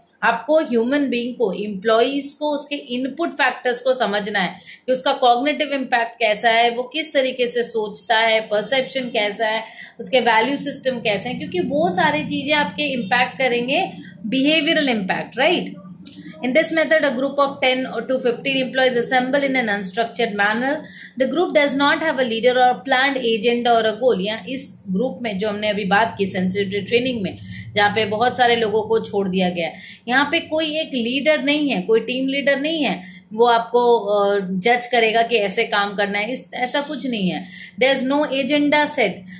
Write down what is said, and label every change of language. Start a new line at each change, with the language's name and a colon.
Hindi: आपको human being को, employees को, उसके इनपुट फैक्टर्स को समझना है कि उसका कॉग्निटिव इम्पैक्ट कैसा है, वो किस तरीके से सोचता है, परसेप्शन कैसा है, उसके वैल्यू सिस्टम कैसे हैं, क्योंकि वो सारी चीजें आपके इम्पैक्ट करेंगे behavioural impact, right?
English: In this method, a group of 10 to 15 employees assemble in an unstructured manner. The group does not have a leader or a planned agenda or a goal.
Hindi: Yeah, इस group में जो हमने अभी बात की sensitivity training में, जहाँ पे बहुत सारे लोगों को छोड़ दिया गया, यहाँ पे कोई एक leader नहीं है, कोई team leader नहीं है, वो आपको जज करेगा कि ऐसे काम करना है, इस ऐसा कुछ नहीं है.
English: There is no agenda set.